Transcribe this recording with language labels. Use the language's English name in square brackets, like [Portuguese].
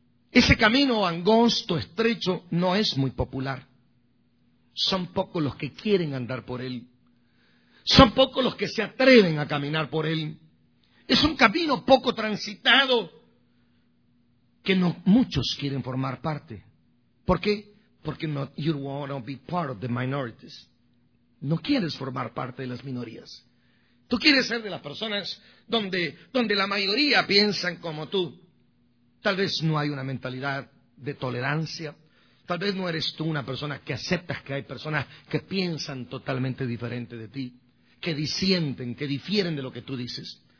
[Spanish] Ese camino angosto, estrecho, no es muy popular. Son pocos los que quieren andar por él. Son pocos los que se atreven a caminar por él. Es un camino poco transitado que no muchos quieren formar parte. ¿Por qué? Porque no, [English] you want to be part of the minorities. [Spanish] No quieres formar parte de las minorías. Tú quieres ser de las personas donde la mayoría piensan como tú. Tal vez no hay una mentalidad de tolerancia. Tal vez no eres tú una persona que aceptas que hay personas que piensan totalmente diferente de ti, que disienten, que difieren de lo que tú dices.